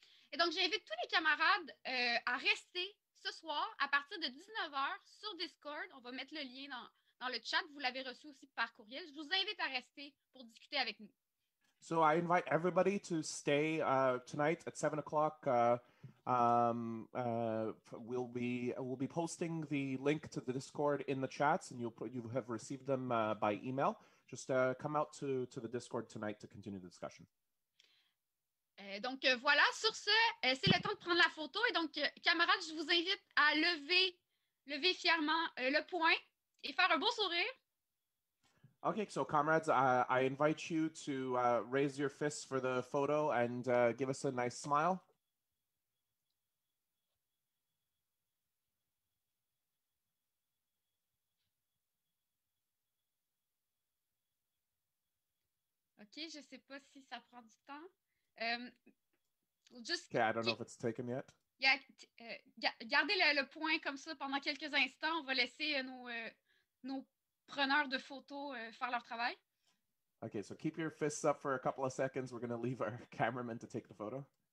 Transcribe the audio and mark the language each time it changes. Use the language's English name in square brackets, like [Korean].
[French] Et donc, j'invite tous les camarades à rester ce soir à partir de 19h sur Discord. On va mettre le lien dans, dans le chat. Vous l'avez reçu aussi par courriel. Je vous invite à rester pour discuter avec nous. [English] So I invite everybody to stay tonight at 7 o'clock. We'll be posting the link to the Discord in the chats, and you have received them by email. Just come out to the Discord tonight to continue the discussion. [French] Donc voilà, sur ce, c'est le temps de prendre la photo. Et donc, camarades, je vous invite à lever fièrement le poing et faire un beau sourire. [English] Okay, so comrades, I invite you to raise your fists for the photo and give us a nice smile. [French] Okay, je sais pas si ça prend du temps. [English] I don't know if it's taken yet. [French] Yeah, gardez le point comme ça pendant quelques instants. On va laisser nos preneurs de photos faire leur travail. [English] Okay, so keep your fists up for a couple of seconds. We're going to leave our cameraman to take the photo.